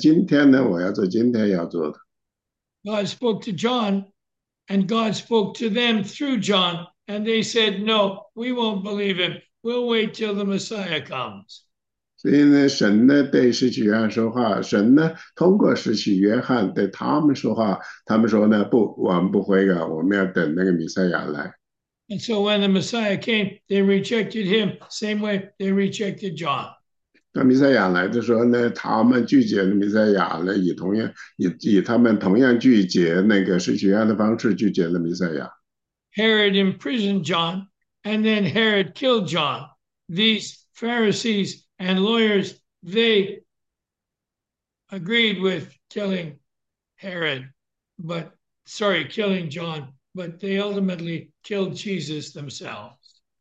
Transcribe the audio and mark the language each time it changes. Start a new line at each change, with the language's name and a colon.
Chinese: 因为我认为呢，当今世界很多人的一个大问题呢，他就是说，明天呢，我要去做明天要做的，那么说呢，今天呢，我要做今天要做的。
English: God spoke to John, and God spoke to them through John, and they said, no, we won't believe him. We'll wait till the Messiah comes.
Chinese: 所以呢，神呢对施洗约翰说话，神呢通过施洗约翰对他们说话，他们说呢不，我们不悔改，我们要等那个弥赛亚来。
English: And so when the Messiah came, they rejected him, same way they rejected John.
Chinese: 当弥赛亚来的时候呢，他们拒绝了弥赛亚呢，以同样以他们同样拒绝那个施洗约翰的方式拒绝了弥赛亚。
English: Herod imprisoned John, and then Herod killed John. These Pharisees and lawyers, they agreed with killing Herod, killing John, but they ultimately killed Jesus themselves.